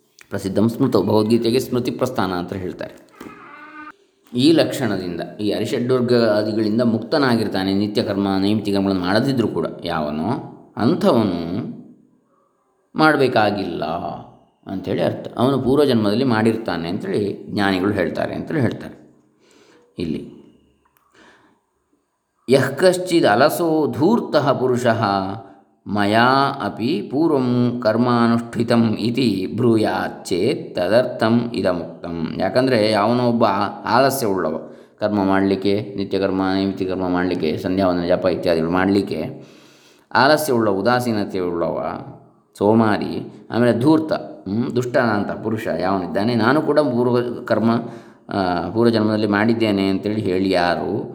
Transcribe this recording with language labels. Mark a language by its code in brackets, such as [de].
[kn] ಪ್ರಸಿದ್ಧ ಸ್ಮೃತ ಭಗವದ್ಗೀತೆಗೆ ಸ್ಮೃತಿ ಪ್ರಸ್ಥಾನ ಅಂತ ಹೇಳ್ತಾರೆ. ಈ ಲಕ್ಷಣದಿಂದ, ಈ ಅರಿಷಡ್ವರ್ಗಾದಿಗಳಿಂದ ಮುಕ್ತನಾಗಿರ್ತಾನೆ, ನಿತ್ಯಕರ್ಮ ನೈಮಿತಿ ಕರ್ಮಗಳನ್ನು ಮಾಡದಿದ್ದರೂ ಕೂಡ ಯಾವನು, ಅಂಥವನು ಮಾಡಬೇಕಾಗಿಲ್ಲ ಅಂಥೇಳಿ ಅರ್ಥ. ಅವನು ಪೂರ್ವಜನ್ಮದಲ್ಲಿ ಮಾಡಿರ್ತಾನೆ ಅಂಥೇಳಿ ಜ್ಞಾನಿಗಳು ಹೇಳ್ತಾರೆ ಅಂತೇಳಿ ಹೇಳ್ತಾರೆ ಇಲ್ಲಿ. [sa] यः कश्चिद् अलसो धूर्तः पुरुषः मया अपि पूर्वं कर्मानुष्ठितम् इति ब्रूयात् चेत् तदर्थम् इदमुक्तम्. [kn] ಯಾಕಂದರೆ ಯಾವನೊಬ್ಬ ಆಲಸ್ಯ ಉಳ್ಳವ ಕರ್ಮ ಮಾಡಲಿಕ್ಕೆ, ನಿತ್ಯಕರ್ಮ, ನೈಮಿತ್ತಿ ಕರ್ಮ ಮಾಡಲಿಕ್ಕೆ, ಸಂಧ್ಯಾವಂದನ ಜಪ ಇತ್ಯಾದಿಗಳು ಮಾಡಲಿಕ್ಕೆ ಆಲಸ್ಯವುಳ್ಳ, ಉದಾಸೀನತೆಯುಳ್ಳವ, ಸೋಮಾರಿ, ಆಮೇಲೆ ಧೂರ್ತ, ದುಷ್ಟನಂತ ಪುರುಷ ಯಾವನಿದ್ದಾನೆ, ನಾನು ಕೂಡ ಪೂರ್ವ ಕರ್ಮ ಪೂರ್ವಜನ್ಮದಲ್ಲಿ ಮಾಡಿದ್ದೇನೆ ಅಂತೇಳಿ ಹೇಳಿ ಯಾರು.